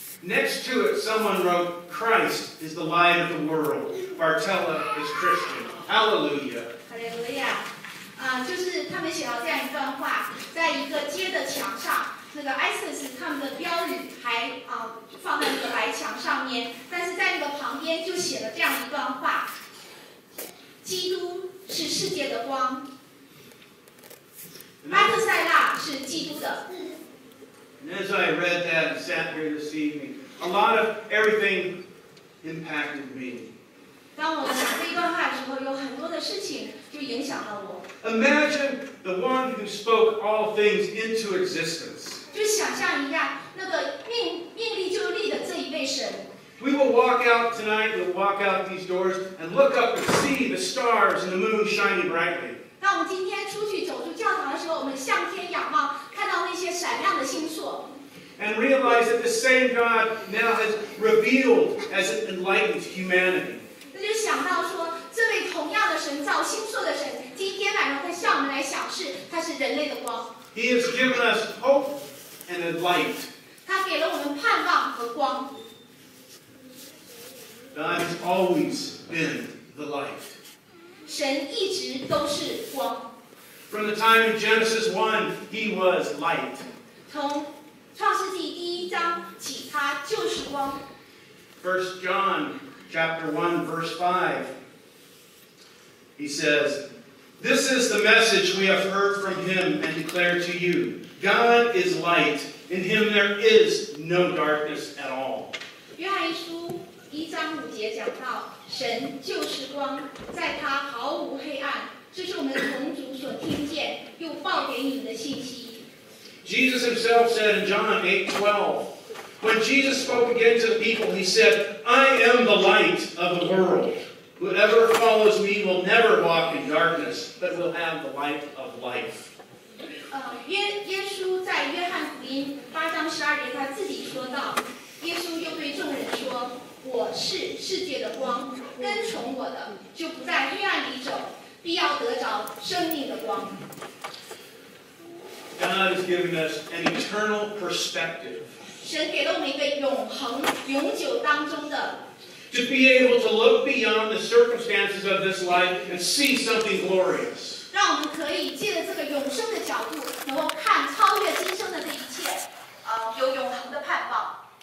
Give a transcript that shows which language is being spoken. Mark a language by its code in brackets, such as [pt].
[en] Next to it, someone wrote, Christ is the light of the world. Bartella is Christian. Hallelujah. Hallelujah. [zh] 就是他们写到这样一段话，在一个街的墙上，那个 ISIS 他们的标语还放在那个白墙上面，但是在那个旁边就写了这样一段话：基督是世界的光，阿克塞拉是基督的。 [en] And as I read that and sat here this evening, a lot of everything impacted me. [zh] 当我想这段话的时候，有很多的事情就影响了我。 [en] Imagine the one who spoke all things into existence. [zh] 就想象一下那个命立就立的这一位神。 [en] We will walk out tonight, we'll walk out these doors and look up and see the stars and the moon shining brightly. [zh] 当我今天出去走出教堂的时候，我们向天仰望，看到那些闪亮的星宿。 [en] And realize that the same God now has revealed as it enlightens humanity. [zh] 那就想到说，这位同样的神造星宿的神，今天晚上会向我们来显示，他是人类的光。 [en] He has given us hope and a light. [zh] 他给了我们盼望和光。 [en] God has always been the light. [zh] 神一直都是光。 [en] From the time in Genesis 1, he was light. [zh] 从创世纪第一章起，他就是光。 [en] First John chapter 1, verse 5. He says, This is the message we have heard from him and declare to you. God is light. In him there is no darkness at all. [zh] 约翰一书一章五节讲到，神就是光，在他毫无黑暗。这是我们同族所听见又报给你们的信息。 [en] Jesus himself said in John 8:12, When Jesus spoke again to the people, he said, I am the light of the world. Whoever follows me will never walk in darkness, but will have the light of life. [zh] 耶稣在约翰福音八章十二节他自己说到，耶稣又对众人说，我是世界的光，跟从我的就不在黑暗里走，必要得着生命的光。 [en] God has given us an eternal perspective. [zh] 神给了我们一个永恒、永久当中的。 [en] To be able to look beyond the circumstances of this life and see something glorious. [zh] 让我们可以借着这个永生的角度，能够看超越今生的这一切，有永恒的盼望。